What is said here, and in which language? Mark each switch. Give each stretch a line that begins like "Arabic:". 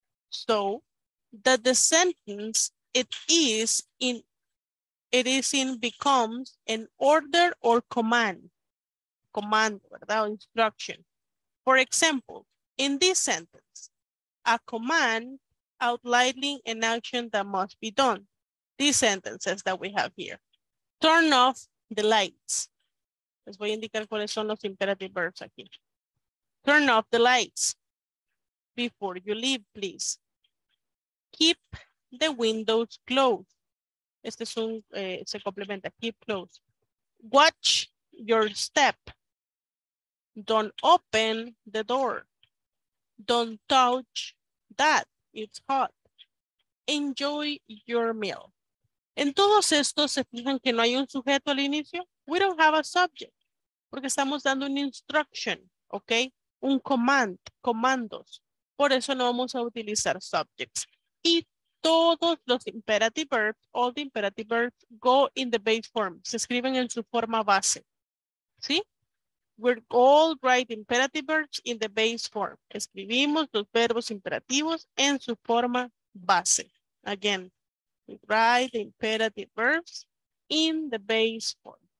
English: So, that the sentence it is in becomes an order or command. Command, ¿verdad? O instruction. For example, in this sentence, a command outlining an action that must be done. These sentences that we have here. Turn off the lights.
Spanish: Les voy a indicar cuáles son los imperative verbs aquí.
English: Turn off the lights. Before you leave, please. Keep the windows closed.
Spanish: Este es un, se complementa,
English: keep close. Watch your step. Don't open the door. Don't touch that, it's hot. Enjoy your meal.
Spanish: En todos estos, ¿se fijan que no hay un sujeto al inicio?
English: We don't have a subject,
Spanish: porque estamos dando una
English: instruction, ¿ok?
Spanish: Un command, comandos. Por eso no vamos a utilizar subjects. Y todos los
English: imperative verbs, all the imperative verbs, go in the base form.
Spanish: Se escriben en su forma base. ¿Sí?
English: We're all write imperative verbs in the base form.
Spanish: Escribimos los verbos imperativos en su forma base.
English: Again, we write the imperative verbs in the base form.